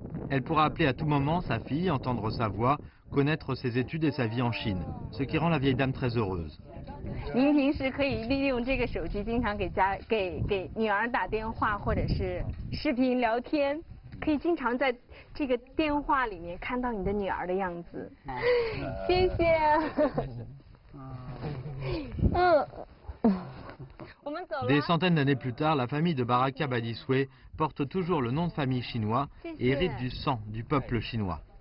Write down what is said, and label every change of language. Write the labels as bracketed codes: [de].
[fr] Elle pourra appeler à tout moment sa fille, entendre sa voix, connaître ses études et sa vie en Chine, ce qui rend la vieille dame très heureuse. [zh] 您平时可以利用这个手机，经常给女儿打电话或者是视频聊天，可以经常在这个电话里面看到你的女儿的样子。谢谢。嗯。我们走了。 [fr] Des centaines d'années plus tard, la famille de Baraka Badisui porte toujours le nom de famille chinois et hérite du sang du peuple chinois.